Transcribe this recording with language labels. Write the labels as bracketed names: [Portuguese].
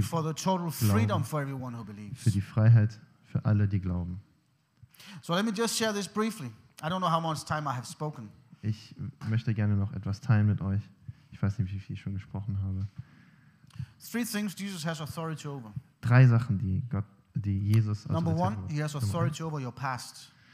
[English] for the total freedom for everyone who believes. [German] Für die Freiheit für alle, die glauben. [English] So let me just share this briefly. I don't know how much time I have spoken. [German] Ich möchte gerne noch etwas teilen mit euch. Ich weiß nicht, wie viel ich schon gesprochen habe. [English] Three things Jesus has authority over. [German] Drei Sachen, die Jesus Autorität [English] Number one, he has authority over your past.